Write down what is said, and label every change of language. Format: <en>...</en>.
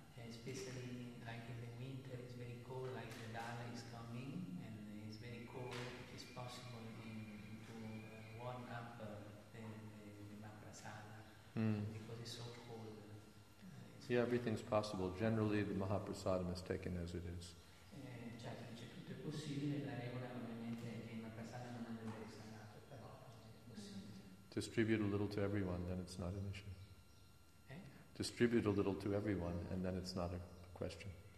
<en>Especially like in the winter, it's very cold, like the Dala is coming, and it's very cold, it is possible to warm up the Mahaprasada, because it's so cold. Everything's possible. Generally, the Mahaprasadam is taken as it is.</en> <it>Tutto è possibile, la regola ovviamente è che il Mahaprasada non deve essere nato, però è possibile.</it> <en>Distribute a little to everyone, then it's not an issue. Distribute a little to everyone, and then it's not a question.</en>